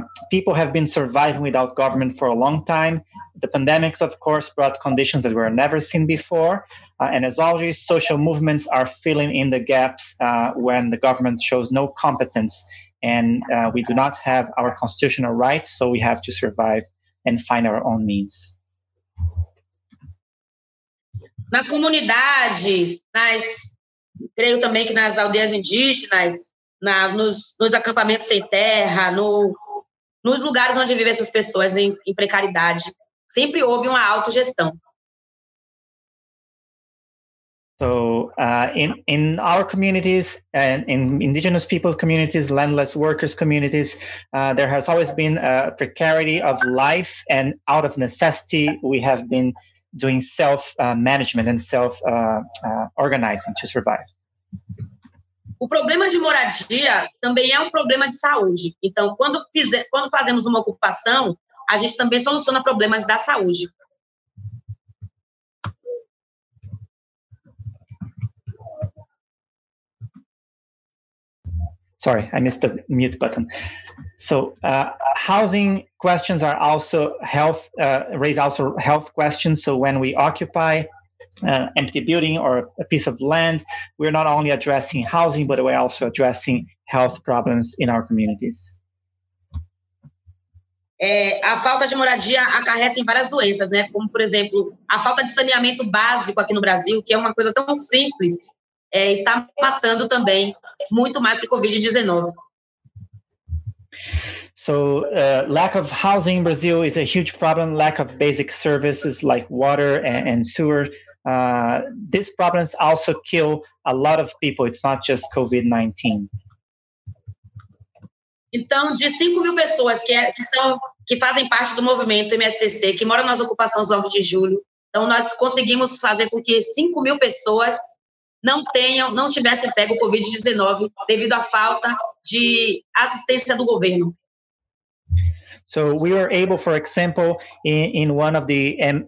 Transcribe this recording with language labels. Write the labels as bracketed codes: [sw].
[en] people have been surviving without government for a long time. The pandemics, of course, brought conditions that were never seen before. And as always, social movements are filling in the gaps when the government shows no competence. And we do not have our constitutional rights, so we have to survive and find our own means. [pt] Nas comunidades, creio também que nas aldeias indígenas, nos acampamentos sem terra, nos lugares onde vivem essas pessoas em precariedade, sempre houve uma autogestão. [en] So, in our communities and in indigenous people communities, landless workers communities, there has always been a precarity of life, and out of necessity we have been doing self management and self organizing to survive. [pt] O problema de moradia também é um problema de saúde. Então, quando fazemos uma ocupação, a gente também soluciona problemas da saúde. [en] Sorry, I missed the mute button. So, housing questions are also health, raise also health questions. So, when we occupy empty building or a piece of land, we're not only addressing housing, but we're also addressing health problems in our communities. [pt] A falta de moradia acarreta em várias doenças, né? Como, por exemplo, a falta de saneamento básico aqui no Brasil, que é uma coisa tão simples, está matando também muito mais que COVID-19. [en] So, lack of housing in Brazil is a huge problem. Lack of basic services like water and sewer. These problems also kill a lot of people. It's not just COVID-19. [pt] Então, de 5 mil pessoas que fazem parte do movimento MSTC, que moram nas ocupações 9 de julho, então nós conseguimos fazer com que 5 mil pessoas não tivessem pego o COVID-19 devido à falta de assistência do governo. [en] So, we were able, for example, in one of the...